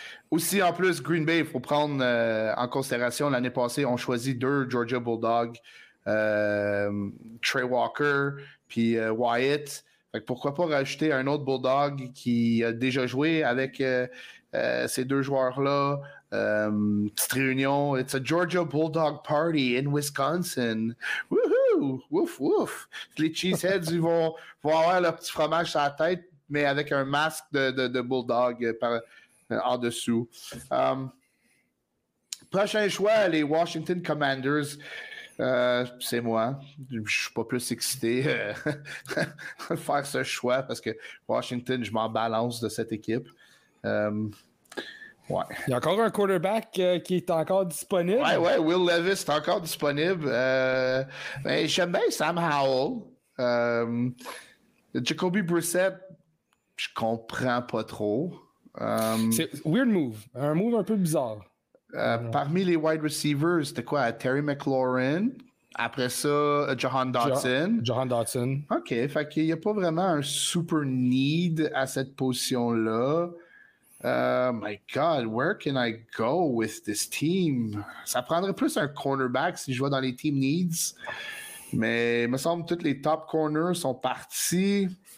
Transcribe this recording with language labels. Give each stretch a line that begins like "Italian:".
French: Aussi, en plus, Green Bay, il faut prendre en considération, l'année passée, on choisit deux Georgia Bulldogs, Trey Walker puis Wyatt. Fait que pourquoi pas rajouter un autre Bulldog qui a déjà joué avec ces deux joueurs-là. Petite réunion.
English: It's a Georgia Bulldog party in Wisconsin. Woohoo! Woof, woof!
French: Les Cheeseheads vont avoir leur petit fromage sur la tête, mais avec un masque de Bulldog en dessous. Prochain choix, les Washington Commanders. C'est moi. Je ne suis pas plus excité de faire ce choix parce que Washington, je m'en balance de cette équipe. Ouais. Il y a encore un quarterback qui est encore disponible. Ouais, ouais, Will Levis est encore disponible. Mais j'aime bien Sam Howell. Jacoby Brissett, je comprends pas trop. C'est
English: weird move.
French: Un move un peu bizarre. Parmi les wide receivers, c'était quoi? Terry McLaurin. Après ça, Jahan Dotson. Jahan Dotson. OK. Fait qu'il n'y a pas vraiment un super need à cette position-là.
English: My God, where can I go with this team?
French: Ça prendrait plus un cornerback si je vois dans les team needs. Mais il me semble que tous les top corners sont partis.